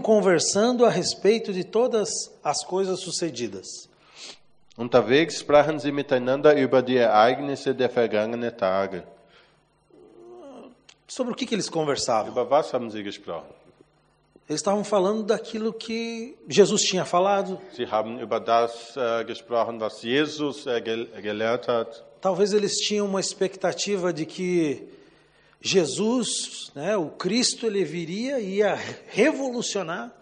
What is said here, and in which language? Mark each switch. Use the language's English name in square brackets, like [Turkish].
[Portuguese] conversando a respeito de todas as coisas sucedidas. [German] Unterwegs sprachen sie miteinander über die Ereignisse der vergangenen Tage. [Portuguese] Sobre o que eles conversavam? [German] Über was haben sie gesprochen? [Portuguese] Eles estavam falando daquilo que Jesus tinha falado. [German] Sie haben über das gesprochen, was Jesus gelehrt hat. [Portuguese] Talvez eles tinham uma expectativa de que Jesus, né, o Cristo, ele viria e ia revolucionar.